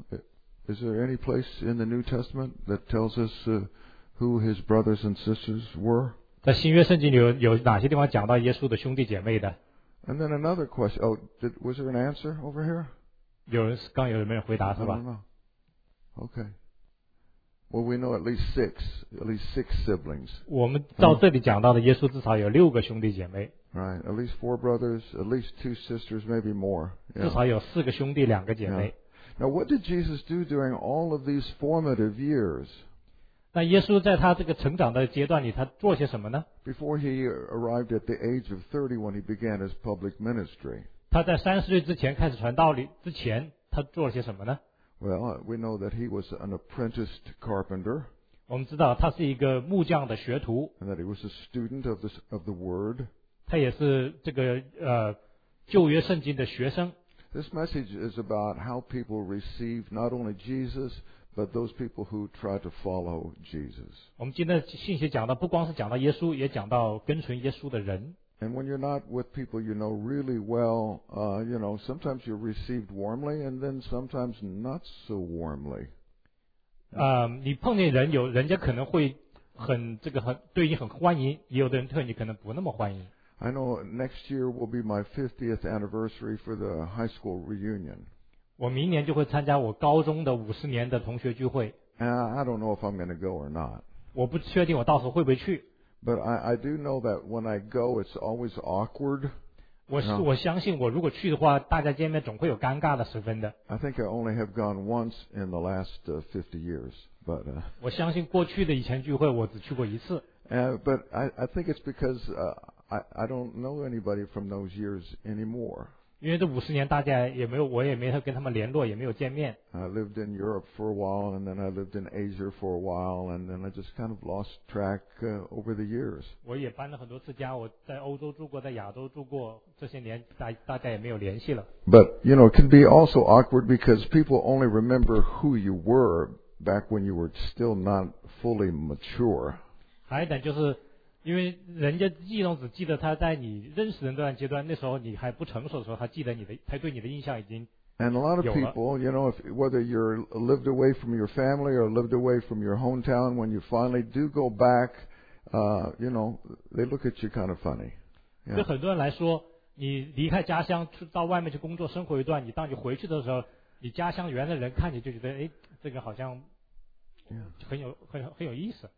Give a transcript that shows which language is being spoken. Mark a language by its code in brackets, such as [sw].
[en] Is there any place in the New Testament that tells us who his brothers and sisters were? [zh] 在新约圣经里有哪些地方讲到耶稣的兄弟姐妹的？ [en] And then another question. Oh, was there an answer over here? [zh] 有人刚有没有回答是吧？ [en] I don't know. Okay. Well, we know at least six siblings. [zh] 我们照这里讲到的，耶稣至少有六个兄弟姐妹。 [en] Right, at least four brothers, at least two sisters, maybe more. [zh] 至少有四个兄弟，两个姐妹。 [en] Now, what did Jesus do during all of these formative years? [zh] 那耶稣在他这个成长的阶段里，他做些什么呢？ [en] Before he arrived at the age of 30 when he began his public ministry. [zh] 他在三十岁之前开始传道之前，他做了些什么呢？ [en] Well, we know that he was an apprenticed carpenter. [zh] 我们知道他是一个木匠的学徒。 [en] And that he was a student of the word. [zh] 他也是这个旧约圣经的学生。 [en] This message is about how people receive not only Jesus, but those people who try to follow Jesus. [zh] 我们今天信息讲到不光是讲到耶稣，也讲到跟随耶稣的人。 [en] And when you're not with people you know really well, you know, sometimes you're received warmly and then sometimes not so warmly. [zh] 你碰见人有人家可能会很这个很对你很欢迎，也有的人对你可能不那么欢迎。 [en] I know next year will be my 50th anniversary for the high school reunion. [zh] 我明年就会参加我高中的五十年的同学聚会。 [en] I don't know if I'm going to go or not. [zh] 我不确定我到时候会不会去。 [en] But I do know that when I go, it's always awkward. [zh] 我相信我如果去的话，大家见面总会有尴尬的时分的。 [en] I think I only have gone once in the last 50 years, but. [zh] 我相信过去的以前聚会我只去过一次。 [en] But I think it's because I don't know anybody from those years anymore. [zh] 因为这五十年大家也没有，我也没有跟他们联络，也没有见面。 [en] I lived in Europe for a while, and then I lived in Asia for a while, and then I just kind of lost track over the years. [zh] 我也搬了很多次家，我在欧洲住过，在亚洲住过，这些年大家也没有联系了。 [en] But you know, it can be also awkward because people only remember who you were back when you were still not fully mature. [zh] 还有一点就是。因为人家记忆只记得他在你认识人这段阶段，那时候你还不成熟的时候，他记得你的，他对你的印象已经有了。 [en] And a lot of people, you know, if whether you're lived away from your family or lived away from your hometown, when you finally do go back, you know, they look at you kind of funny. [zh] 对很多人来说，你离开家乡去到外面去工作生活一段，你当你回去的时候，你家乡原来的人看你就觉得，哎，这个好像很有意思。